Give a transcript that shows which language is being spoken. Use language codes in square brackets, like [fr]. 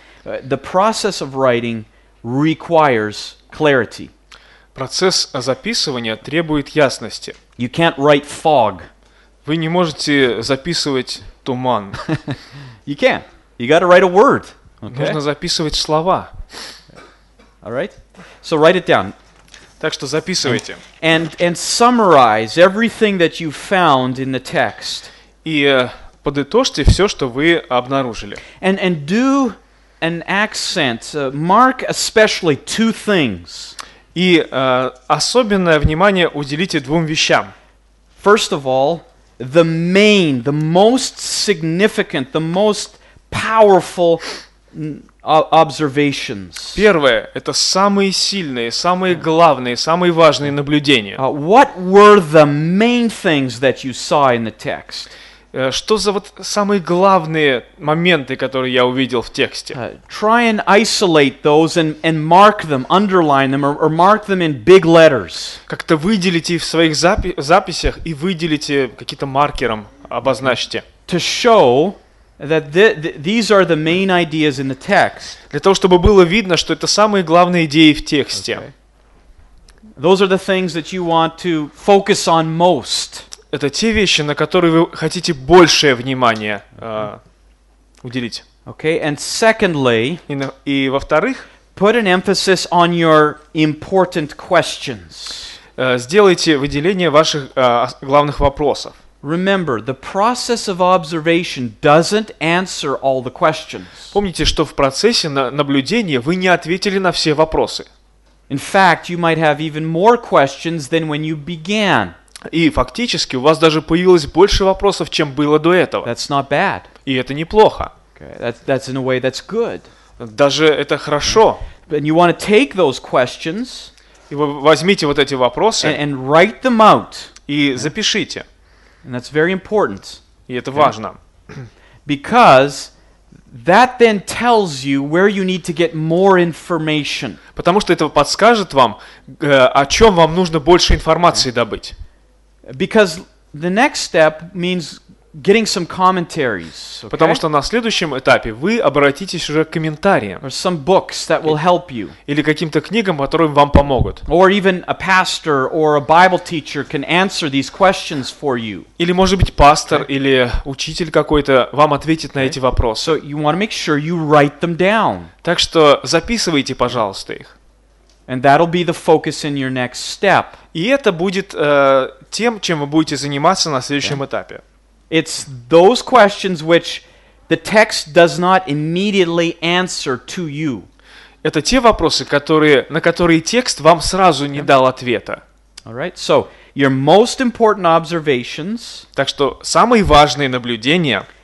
[en] The process of writing requires clarity. [ru] Процесс записывания требует ясности. [en] You can't write fog. [ru] Вы не можете записывать туман. [en] You can. You gotta write a word. Okay? [ru] Нужно записывать слова. [en] All right? So write it down. [ru] Так что записывайте. [en] And summarize everything that you found in the text. [ru] И подытожьте все, что вы обнаружили. [en] And do an accent. Mark especially two things. [ru] И особенное внимание уделите двум вещам. [en] First of all, the main, the most significant, the most powerful observations. [ru] Первое – это самые сильные, самые главные, самые важные наблюдения. [en] What were the main things that you saw in the text? [ru] Что за вот самые главные моменты, которые я увидел в тексте? [en] Try and isolate those and mark them, underline them, or mark them in big letters. [ru] Как-то выделите их в своих записях и выделите какие-то маркером, обозначьте. [en] To show that these are the main ideas in the text. [ru] Для того, чтобы было видно, что это самые главные идеи в тексте. [en] Okay. Those are the things that you want to focus on most. [ru] Это те вещи, на которые вы хотите большее внимание уделить. [en] Okay, and secondly, [ru] и во-вторых, [en] put an emphasis on your important questions. [ru] Сделайте выделение ваших главных вопросов. [en] Remember, the process of observation doesn't answer all the questions. [ru] Помните, что в процессе наблюдения вы не ответили на все вопросы. [en] In fact, you might have even more questions than when you began. [ru] И фактически у вас даже появилось больше вопросов, чем было до этого. [en] That's not bad. [ru] И это неплохо. [en] Okay. That's in a way that's good. [ru] Даже это хорошо. [en] And you want to take those questions. [ru] И вы возьмите вот эти вопросы. [en] And write them out. [ru] И запишите. [en] And that's very important. [ru] И это важно. [en] Because that then tells you where you need to get more information. [ru] Потому что это подскажет вам, о чем вам нужно больше информации добыть. [en] Because the next step means getting some commentaries. Okay? [ru] Потому что на следующем этапе вы обратитесь уже к комментариям. [en] Or some books that will help you. [ru] Или каким-то книгам, которые вам помогут. [en] Or even a pastor or a Bible teacher can answer these questions for you. [ru] Или может быть пастор okay? или учитель какой-то вам ответит okay? на эти вопросы. [en] So you want to make sure you write them down. [ru] Так что записывайте, пожалуйста, их. [en] And that'll be the focus in your next step. [ru] И это будет тем, чем вы будете заниматься на следующем этапе. [en] It's those questions which the text does not immediately answer to you. [ru] Это те вопросы, на которые текст вам сразу не дал ответа. [en] All right. So, your most important observations. [ru] Так что самые важные наблюдения.